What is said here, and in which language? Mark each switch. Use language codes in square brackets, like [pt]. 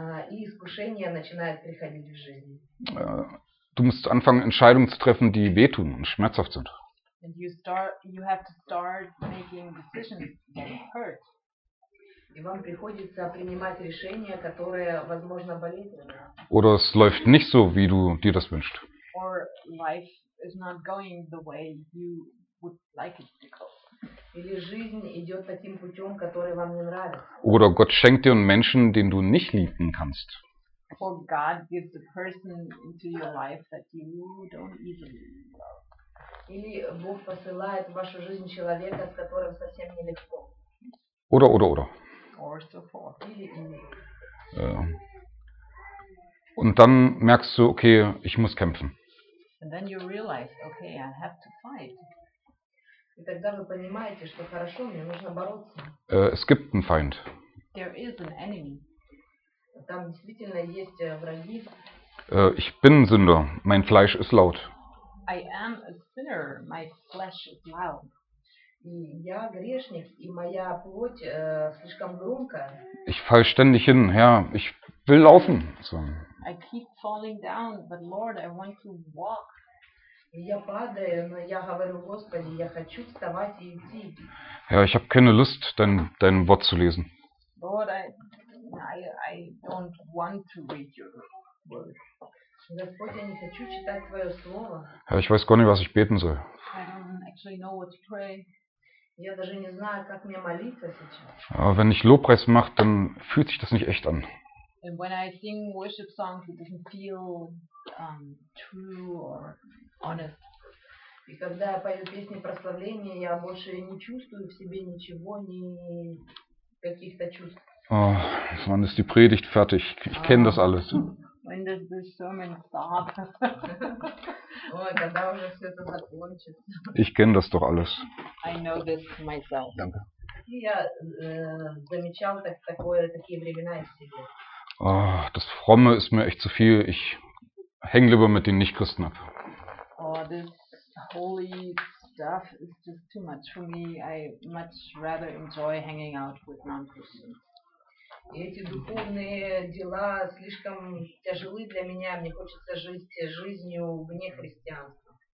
[ru] И искушения начинают приходить в жизнь. [de] Du musst anfangen, Entscheidungen zu treffen, die wehtun und schmerzhaft sind. [en] And you have to start making decisions that hurt. [ru] И вам приходится принимать решения, которые, возможно, болезненны. [de] Oder es läuft nicht so, wie du dir das wünschst. [en] Or life is not going the way you would like it to go. [ru] Или жизнь идет таким путем, который вам не нравится. [de] Oder Gott schenkt dir einen Menschen, den du nicht lieben kannst. [en] Or God gives a person into your life that you don't easily love. [ru] Или Бог посылает в вашу жизнь человека, с которым совсем нелегко. [de] Oder. [en] Or so forth. [ru] Или. [de] Und dann merkst du, okay, ich muss kämpfen. [en] And then you realize, okay, I have to fight. [ru] И тогда вы понимаете, что хорошо, мне нужно бороться. [de] Es gibt einen Feind. [en] There is an enemy. [ru] Там действительно есть враги. [de] Ich bin ein Sünder. Mein Fleisch ist laut. [en] I am a sinner. My flesh is loud. [ru] И я грешник, и моя плоть слишком громкая. [de] Ich fall ständig hin. Herr, ich will laufen. So. [en] I keep falling down, but Lord, I want to walk. [ru] Я падаю, но я говорю, Господи, я хочу вставать и идти. [de] Ja, ich habe keine Lust, dein Wort zu lesen. [en] Lord, I don't want to read your word. [ru] Господи, я не хочу читать твое слово. [de] Ja, ich weiß gar nicht, was ich beten soll. [en] I don't actually know what to pray. [ru] Я даже не знаю, как мне молиться сейчас. [de] Aber wenn ich Lobpreis mache, dann fühlt sich das nicht echt an. [en] And when I sing worship songs, it doesn't feel true or honest. [ru] И когда я пою песни прославления, я больше не чувствую в себе ничего, ни каких-то чувств. [de] Oh, wann ist die Predigt fertig? Ich kenne das alles. [en] When does the sermon start? [ru] Oh, когда уже все это закончится. [de] Ich kenne das doch alles. [en] I know this myself. [de] Danke. [ru] Я замечал такие времена из себя. [de] Oh, das Fromme ist mir echt zu viel. Ich hänge lieber mit den Nichtchristen ab. [en] Oh, this holy stuff is just too much for me. I much rather enjoy hanging out with non-Christians. [ru] И эти духовные дела слишком тяжелы для меня. Мне хочется жить жизнью вне христианства.